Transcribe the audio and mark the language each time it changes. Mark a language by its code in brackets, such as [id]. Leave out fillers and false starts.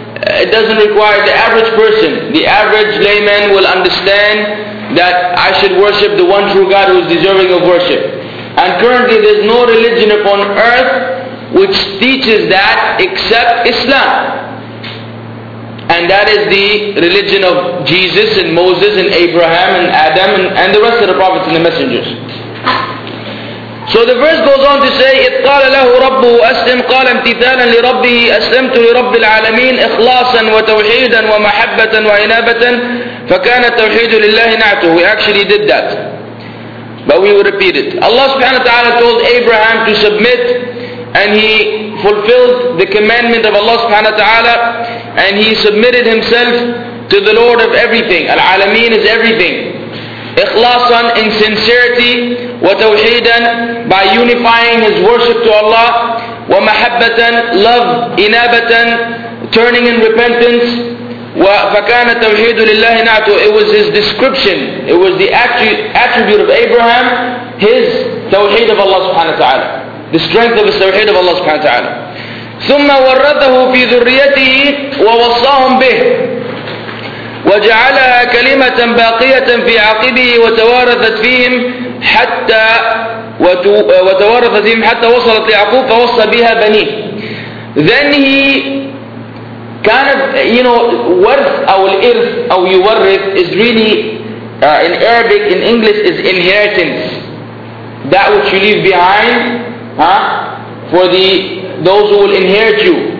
[en] it doesn't require the average person, the average layman will understand that I should worship the one true God who is deserving of worship. And currently there's no religion upon earth which teaches that except Islam. And that is the religion of Jesus and Moses and Abraham and Adam and the rest of the prophets and the messengers. So the verse goes on to say, [ar] إِذْ قَالَ لَهُ رَبُّهُ أَسْلِمْ قَالَ امْتِثَالًا لِرَبِّهِ أَسْلَمْتُ لِرَبِّ الْعَالَمِينَ إِخْلَاصًا وَتَوْحِيدًا وَمَحَبَّةً وَعِنَابَةً فَكَانَ التَّوْحِيدُ لِلَّهِ نَعْتُهُ. [en] We actually did that, but we will repeat it. Allah subhanahu wa ta'ala told Abraham to submit, and he fulfilled the commandment of Allah subhanahu wa ta'ala, and he submitted himself to the Lord of everything. Al-alameen is everything. Ikhlasan, in sincerity, wa tawheedan, by unifying his worship to Allah, wa mahabbatan, love, inabatan, turning in repentance, [ar] wa fakana tawheedu lillahi na'tu. [en] It was his description, it was the attribute of Abraham, his tawheed of Allah subhanahu wa ta'ala, the strength of his tawheed of Allah subhanahu wa ta'ala. [ar] Thumma warradahu fi dhurriyatihi wa wassahum bih. وجعلها كلمة باقية في عقبه وتوارثت فيهم حتى وتوارثت فيهم حتى وصلت ليعقوب فوصى بها بنيه. [en] Then he kind of, you know, [ar] ورث أو الإرث أو يورث [en] is really in Arabic, in English is inheritance, that which you leave behind, huh, for the those who will inherit you.